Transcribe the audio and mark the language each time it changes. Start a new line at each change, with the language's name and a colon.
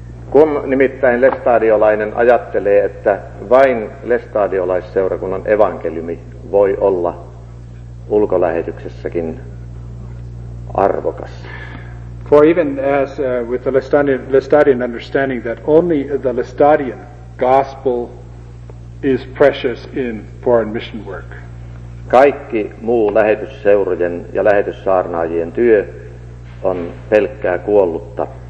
Finnish: Kun nimittäin lestadiolainen ajattelee, että vain lestadiolaisseurakunnan evankeliumi voi olla ulkolähetyksessäkin arvokas.
English: For even as with the Lestadian understanding that only the Lestadian gospel is precious in foreign mission work.
Finnish: Kaikki muu lähetysseurojen ja lähetyssaarnaajien työ on pelkkää kuollutta.